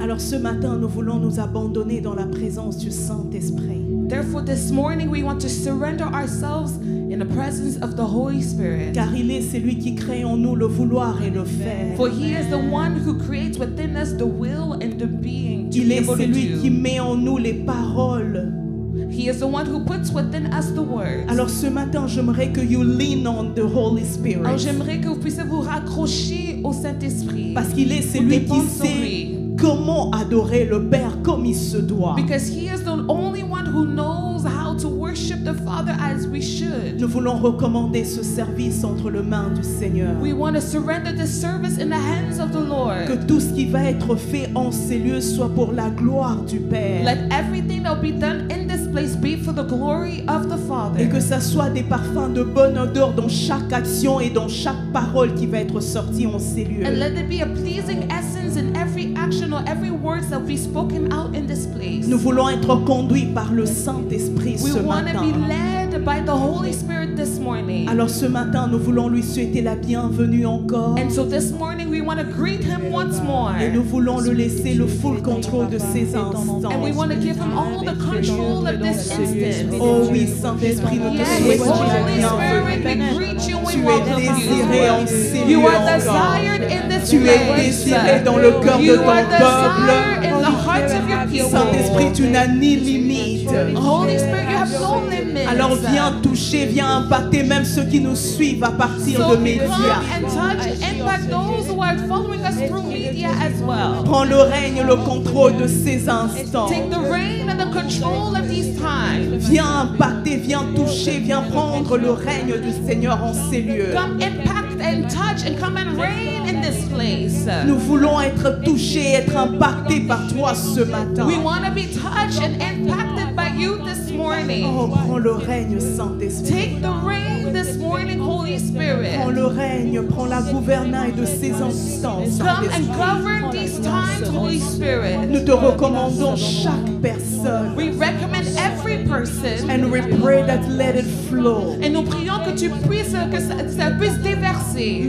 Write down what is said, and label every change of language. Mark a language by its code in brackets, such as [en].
[fr] Alors ce matin, nous voulons nous abandonner dans la présence du Saint-Esprit. [en] Therefore, this morning we want to surrender ourselves in the presence of the Holy Spirit. [fr] Car il est celui qui crée en nous le vouloir et le faire. [en] For he is the one who creates within us the will and the being to be able to do. [fr] Il est celui qui met en nous les paroles. [en] He is the one who puts within us the words. [fr] Alors ce matin, j'aimerais que [en] you lean on the Holy Spirit. [fr] Alors j'aimerais que vous puissiez vous raccrocher au Saint-Esprit. Parce qu'il est celui qui sait comment adorer le Père comme il se doit. [en] Because he is the only one who knows how to worship the Father as we should. [fr] Nous voulons recommander ce service entre les mains du Seigneur. [en] We want to surrender the service in the hands of the Lord. [fr] Que tout ce qui va être fait en ces lieux soit pour la gloire du Père. [en] Let everything that will be done in this place be for the glory of the Father. [fr] Et que ça soit des parfums de bonne odeur dans chaque action et dans chaque parole qui va être sortie en ces lieux. [en] And let it be a pleasing essence in every action or every word that will be spoken out in this place. [fr] Nous voulons être conduits par le Saint-Esprit ce matin. [en] We want to be led by the Holy Spirit this morning. [fr] Alors ce matin, nous voulons lui souhaiter la bienvenue encore. [en] And so this morning we want to greet him once more. [fr] Et nous voulons le laisser le [en] full control [fr] de ses instants. [en] And we want to give him all the control of this instant. [fr] Oh oui, Saint-Esprit, nous te souhaitons la bienvenue. Tu es désiré en ces lieux encore. Tu es désiré dans le cœur de ton peuple. [en] In the the hearts of your people. [fr] Saint-Esprit, tu n'as ni limite. [en] Holy Spirit, you have no limits. [fr] Alors viens toucher, viens impacter même ceux qui nous suivent à partir de médias. [en] So come and touch, impact those who are following us through media as well. [fr] Prends le règne, le contrôle de ces instants. [en] Take the reign and the control of these times. [fr] Viens impacter, viens toucher, viens prendre le règne du Seigneur en ces lieux. [en] Come impact and touch and come and reign in this place. [fr] Nous voulons être touchés, être impactés par toi ce matin. [en] We want to be touched and impacted by you this morning. [fr] Oh, prends le règne, Saint-Esprit. [en] Take the reign this morning, Holy Spirit. [fr] Prends le règne, prends la gouvernance de ces instants. [en] Come and govern these times, Holy Spirit. [fr] Nous te recommandons chaque personne. [en] We recommend every person. And we pray that let it flow. [fr] Et nous prions que tu puisses que ça puisse déverser.